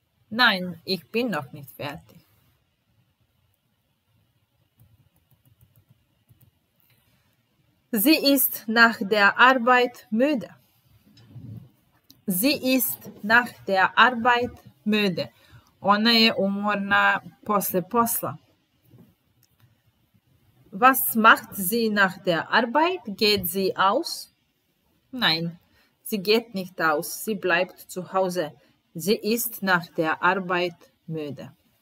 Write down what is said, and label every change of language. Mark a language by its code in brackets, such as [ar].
[de] Nein, ich bin noch nicht fertig. Sie ist nach der Arbeit müde. Sie ist nach der Arbeit müde. [sr] Ona je umorna posle posla. [de] Was macht sie nach der Arbeit? Geht sie aus? Nein, sie geht nicht aus. Sie bleibt zu Hause. Sie ist nach der Arbeit müde.